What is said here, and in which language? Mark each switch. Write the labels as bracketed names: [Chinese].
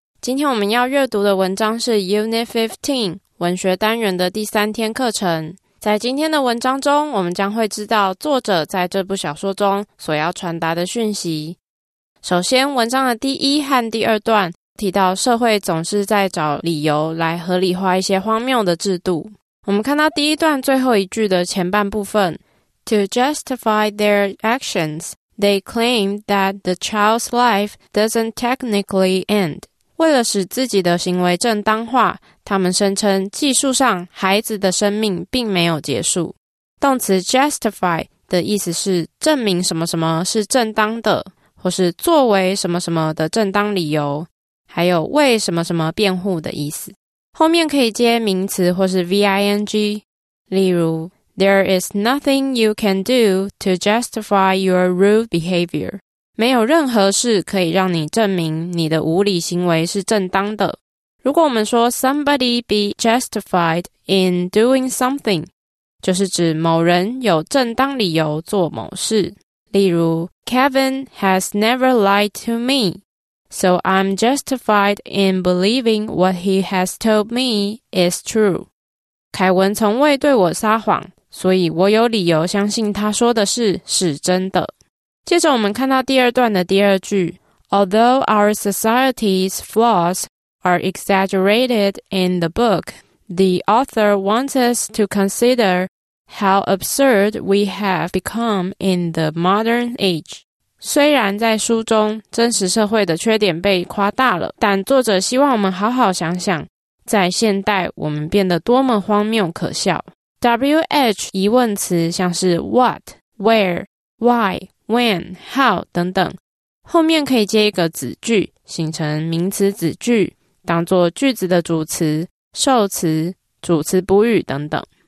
[Chinese] 今天我们要阅读的文章是 Unit 15， 文学单元的第三天课程。在今天的文章中，我们将会知道作者在这部小说中所要传达的讯息。首先，文章的第一和第二段提到社会总是在找理由来合理化一些荒谬的制度。我们看到第一段最后一句的前半部分 [English] To justify their actions, they claim that the child's life doesn't technically end. [Chinese] 为了使自己的行为正当化，他们声称技术上孩子的生命并没有结束。动词 justify 的意思是证明什么什么是正当的，或是作为什么什么的正当理由，还有为什么什么辩护的意思。后面可以接名词或是 ving， 例如 [English] There is nothing you can do to justify your rude behavior， [Chinese] 没有任何事可以让你证明你的无理行为是正当的。如果我们说 [English] somebody be justified in doing something， [Chinese] 就是指某人有正当理由做某事。例如 [English] Kevin has never lied to me， so I'm justified in believing what he has told me is true。 [Chinese] 凯文从未对我撒谎，所以我有理由相信他说的事是真的。接着我们看到第二段的第二句， [English] Although our society's flawsare exaggerated in the book, the author wants us to consider how absurd we have become in the modern age. [Chinese] 虽然在书中真实社会的缺点被夸大了，但作者希望我们好好想想，在现代我们变得多么荒谬可笑。WH 疑问词像是 what where, why, when, how 等等，后面可以接一个子句，形成名词子句，当作句子的主词、受词、主词补语等等。